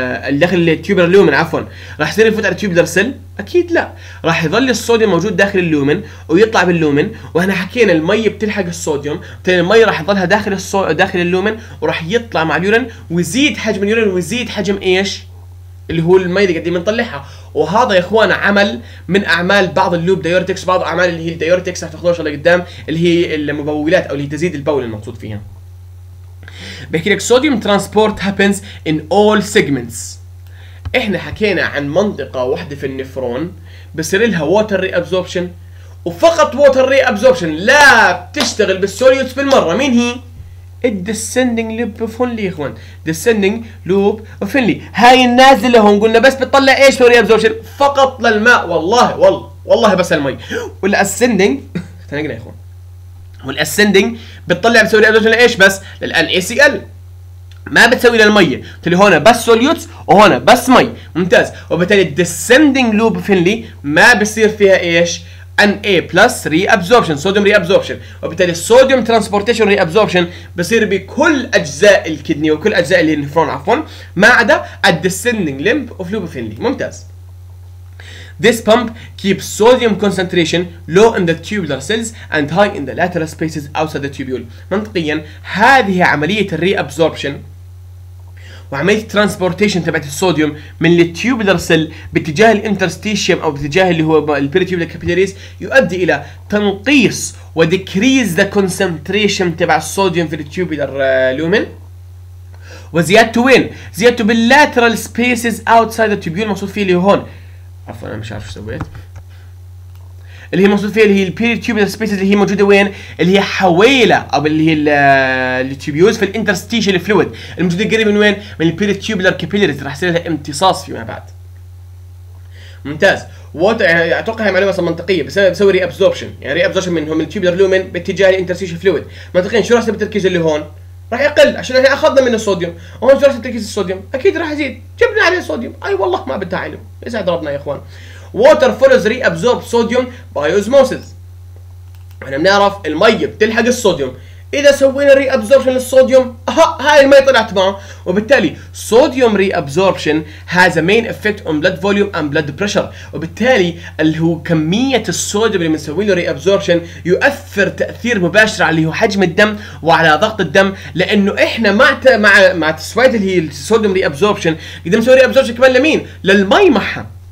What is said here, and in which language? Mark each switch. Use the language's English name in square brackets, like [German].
[Arabic] داخل التيوبلر لومن عفوا، راح يصير يفوت على التيوبلر سيل؟ اكيد لا، راح يظل الصوديوم موجود داخل اللومن ويطلع باللومن، واحنا حكينا المي بتلحق الصوديوم، بالتالي المي راح يظلها داخل داخل اللومن وراح يطلع مع اليورين ويزيد حجم اليورين ويزيد حجم ايش؟ اللي هو المي اللي قاعدين بنطلعها. وهذا يا اخوان عمل من اعمال بعض اللوب دايورتكس، بعض اعمال اللي هي الدايورتكس راح تاخذوها ان شاء الله قدام، اللي هي المبولات او اللي تزيد البول المقصود فيها. بحكي لك [English] sodium transport happens in all segments. [Arabic] احنا حكينا عن منطقه واحده في النفرون بصير لها water reabsorption وفقط water reabsorption، لا بتشتغل بالسوليوتس بالمره. مين هي؟ الديسندنج لوب اوف هنلي يا اخوان، ديسندنج لوب اوف هنلي، هاي النازلة هون قلنا بس بتطلع ايش في ريابزوربشن؟ فقط للماء، والله والله والله بس المي. والاسندنج اختنقنا يا اخوان، والاسندنج بتطلع بتسوي ريابزوربشن لايش بس؟ للان اي سي ال، ما بتسوي للمي، بتقول هنا بس سوليوتس وهنا بس مي، ممتاز. وبالتالي الديسندنج لوب اوف هنلي ما بصير فيها ايش؟ ان اي بلس ريابسوربشن، صوديوم ريابسوربشن، وبالتالي الصوديوم ترانسبورتيشن ريابسوربشن بصير بكل اجزاء الكدني وكل اجزاء النفرون عفوا، ما عدا الديسندنج ليمب اوف لوبوفينلي، ممتاز. [English] This pump keeps sodium concentration low in the tubular cells and high in the lateral spaces outside the tubule. [Arabic] منطقيا هذه عملية reabsorption وعملية transportation تبعت الصوديوم من التيوبلر سيل باتجاه الانترستيشيوم او باتجاه اللي هو البيريتيوبلر كابيلاريز يؤدي الى تنقيص وديكريز ذا كونسنتريشن تبع الصوديوم في التيوبلر لومن وزيادته وين؟ زيادته باللاترال سبيسز اوتسايد التيوبيول المقصود فيه اللي هون عفوا انا مش عارف شو سويت اللي هي مقصود فيها اللي هي البيريتيوبلر سبيسز اللي هي موجوده وين؟ اللي هي حويله او اللي هي التيوبيولز في الانترستيشن فلويد الموجوده قريب من وين؟ من البيريتيوبلر كابيلاريز راح يصير لها امتصاص فيما بعد. ممتاز. اتوقع هي معلومه اصلا منطقيه بس انا بسوي ريابزوربشن يعني ريابزوربشن منهم من التيوبلر لومن باتجاه الانترستيشن فلويد منطقيا شو راح يصير بالتركيز اللي هون؟ راح يقل عشان احنا اخذنا من الصوديوم وهون شو راح يصير تركيز الصوديوم؟ اكيد راح يزيد جبنا عليه صوديوم اي والله ما بتعلم يسعد ربنا يا اخوان. [English] Water follows reabsorbed sodium by osmosis. [Arabic] احنا بنعرف المي بتلحق الصوديوم. إذا سوينا reabsorption للصوديوم، هاي المي طلعت معه، وبالتالي [English] sodium reabsorption has a main effect on blood volume and blood pressure. [Arabic] وبالتالي اللي هو كمية الصوديوم اللي بنسوي له reabsorption يؤثر تأثير مباشر على اللي هو حجم الدم وعلى ضغط الدم، لأنه احنا مع مع تسوية اللي هي sodium reabsorption، إذا بنسوي reabsorption كمان لمين؟ للمي معها.